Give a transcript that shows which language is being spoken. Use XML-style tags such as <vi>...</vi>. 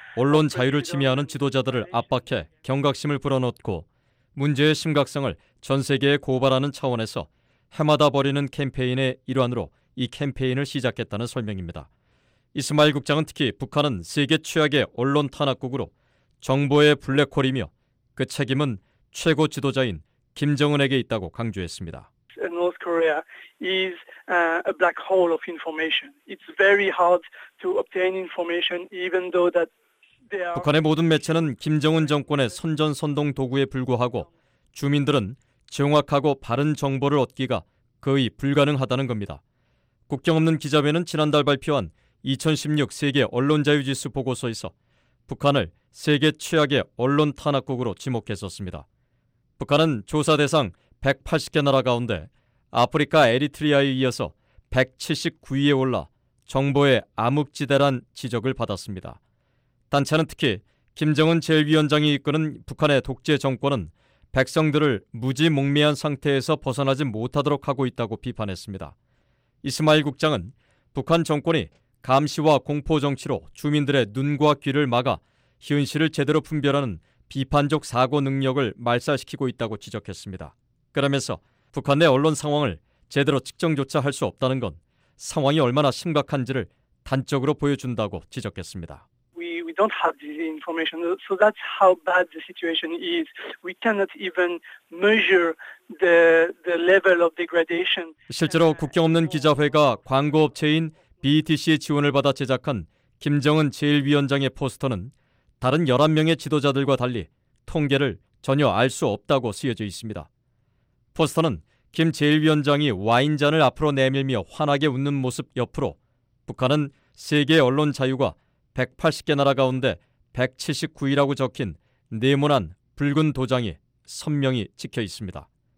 <ko>언론 자유를 침해하는 지도자들을 압박해 경각심을 불어넣고 문제의 심각성을 전 세계에 고발하는 차원에서 해마다 벌이는 캠페인의 일환으로 이 캠페인을 시작했다는 설명입니다. 이스마일 국장은 특히 북한은 세계 최악의 언론 탄압국으로 정보의 블랙홀이며 그 책임은 최고 지도자인 김정은에게 있다고 강조했습니다.</ko> <en>North Korea is a black hole of information. It's very hard to obtain information even though that</en> <ko>북한의 모든 매체는 김정은 정권의 선전선동 도구에 불과하고 주민들은 정확하고 바른 정보를 얻기가 거의 불가능하다는 겁니다. 국경 없는 기자회는 지난달 발표한 2016 세계 언론자유지수 보고서에서 북한을 세계 최악의 언론 탄압국으로 지목했었습니다. 북한은 조사 대상 180개 나라 가운데 아프리카 에리트리아에 이어서 179위에 올라 정보의 암흑지대란 지적을 받았습니다. 단체는 특히 김정은 제1위원장이 이끄는 북한의 독재 정권은 백성들을 무지몽매한 상태에서 벗어나지 못하도록 하고 있다고 비판했습니다. 이스마일 국장은 북한 정권이 감시와 공포 정치로 주민들의 눈과 귀를 막아 현실을 제대로 분별하는 비판적 사고 능력을 말살시키고 있다고 지적했습니다. 그러면서 북한 내 언론 상황을 제대로 측정조차 할 수 없다는 건 상황이 얼마나 심각한지를 단적으로 보여준다고 지적했습니다.</ko> <en>We don't have this information, so that's how bad the situation is. We cannot even measure the level of degradation.</en> <ko>실제로 국경 없는 기자회가 광고업체인 BTC의 지원을 받아 제작한 김정은 제1위원장의 포스터는 다른 11명의 지도자들과 달리 통계를 전혀 알 수 없다고 쓰여져 있습니다. 포스터는 김 제1위원장이 와인잔을 앞으로 내밀며 환하게 웃는 모습 옆으로 북한은 세계 언론 자유가 180개 나라 가운데 179위라고 적힌 네모난 붉은 도장이 선명히 찍혀 있습니다.</ko>